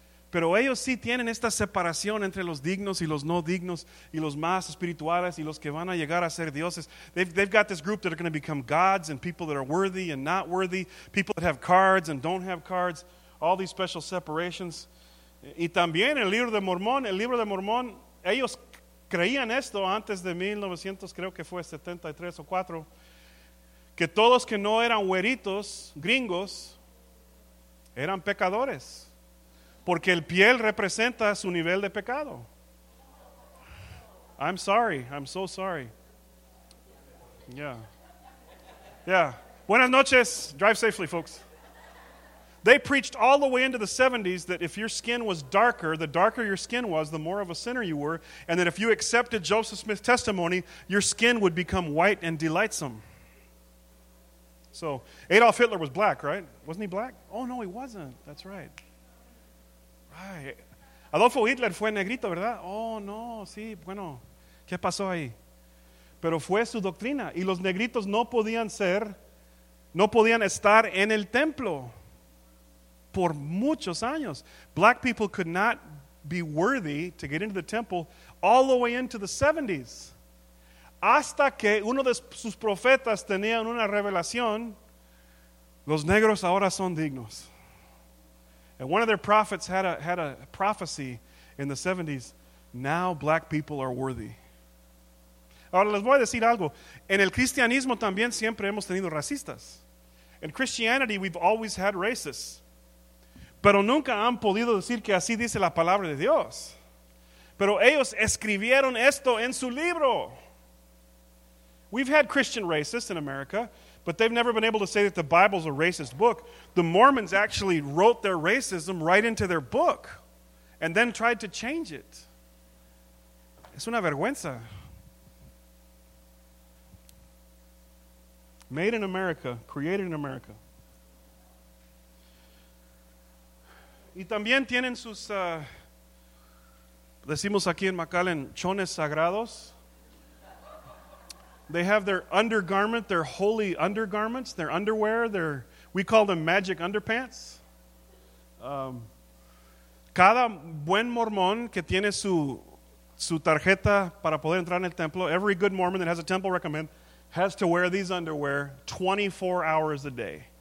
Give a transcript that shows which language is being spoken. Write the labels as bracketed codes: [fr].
[es] Pero ellos sí tienen esta separación entre los dignos y los no dignos y los más espirituales y los que van a llegar a ser dioses. [en] They've got this group that are going to become gods and people that are worthy and not worthy, people that have cards and don't have cards, all these special separations. [es] Y también el libro de Mormón, ellos creían esto antes de 1900, creo que fue 73 o 4, que todos que no eran güeritos, gringos, eran pecadores. Porque el piel representa su nivel de pecado. [en] I'm sorry. I'm so sorry. Yeah. Yeah. [es] Buenas noches. [en] Drive safely, folks. They preached all the way into the 70s that if your skin was darker, the darker your skin was, the more of a sinner you were, and that if you accepted Joseph Smith's testimony, your skin would become white and delightsome. So, Adolf Hitler was black, right? Wasn't he black? Oh, no, he wasn't. That's right. [es] Ay, Adolfo Hitler fue negrito, ¿verdad? [en] Oh, no, [es] sí, bueno, ¿qué pasó ahí? Pero fue su doctrina, y los negritos no podían estar en el templo por muchos años. [en] Black people could not be worthy to get into the temple all the way into the 70s. [es] Hasta que uno de sus profetas tenía una revelación, los negros ahora son dignos. [en] And one of their prophets had a prophecy in the 70s. Now black people are worthy. [es] Ahora les voy a decir algo. En el cristianismo también siempre hemos tenido racistas. [en] In Christianity we've always had racists. [es] Pero nunca han podido decir que así dice la palabra de Dios. Pero ellos escribieron esto en su libro. [en] We've had Christian racists in America. But they've never been able to say that the Bible's a racist book. The Mormons actually wrote their racism right into their book and then tried to change it. Es una vergüenza. Made in America, created in America. [es] Y también tienen sus, decimos aquí en McAllen, chones sagrados. [en] They have their undergarment, their holy undergarments, their underwear, their, we call them magic underpants. [es] Cada buen mormón que tiene su tarjeta para poder entrar en el templo, [en] every good Mormon that has a temple recommend has to wear these underwear 24 hours a day.